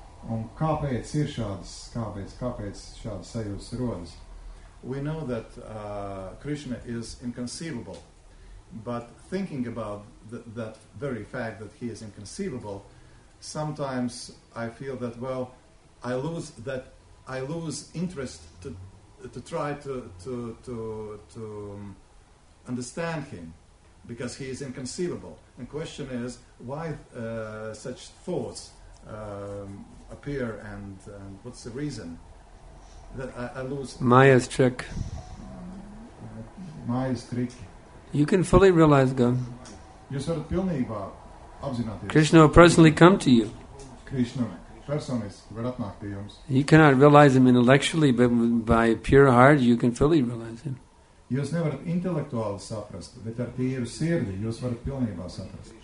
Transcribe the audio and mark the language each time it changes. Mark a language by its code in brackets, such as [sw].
[lv] Un kāpēc ir šādas, kāpēc šādas sajūtas rodas? [en] We know that Krishna is inconceivable, but thinking about that very fact that he is inconceivable, sometimes I feel that, well, I lose interest to try to understand him, because he is inconceivable. And question is, why such thoughts appear and what's the reason that I lose Maya's trick? Maya's trick. You can fully realize God. [lv] Jūs varat pilnībā apzināties. [en] Krishna will personally come to you. [lv] Krishna personiski var atnākt pie jums. [en] You cannot realize him intellectually, but by pure heart you can fully realize him. [lv] Jūs nevarat intelektuāli saprast, bet ar tīru sirdi jūs varat pilnībā saprast.